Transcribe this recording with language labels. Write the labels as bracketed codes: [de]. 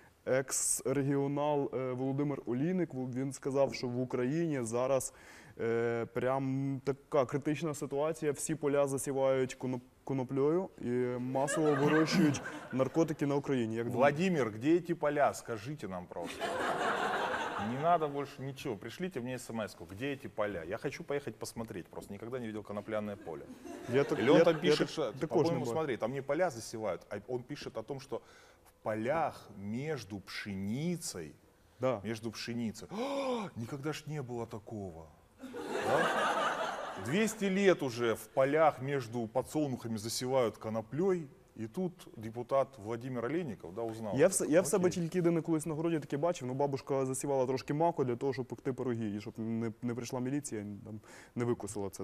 [uk] екс-регіонал Володимир Олійник. Він сказав, що в Україні зараз прям така критична ситуація. Всі поля засівають коноплею і масово вирощують наркотики на Україні. Як Владимир, де ці поля? Скажіть нам просто. [ru] Не надо больше ничего. Пришлите мне смс-ку, где эти поля? Я хочу поехать посмотреть просто. Никогда не видел конопляное поле. Он пишет, смотри, там не поля засевают, а он пишет о том, что в полях между пшеницей, да. Между пшеницей. О, никогда ж не было такого. Да? 200 лет уже в полях между подсолнухами засевают коноплей. [uk] І тут депутат Владимир Олійников, да, узнав. Я в себе тільки єдине колись на городі таке бачив, ну бабушка засівала трошки маку для того, щоб пекти пироги, і щоб не прийшла міліція, там, не викусила це.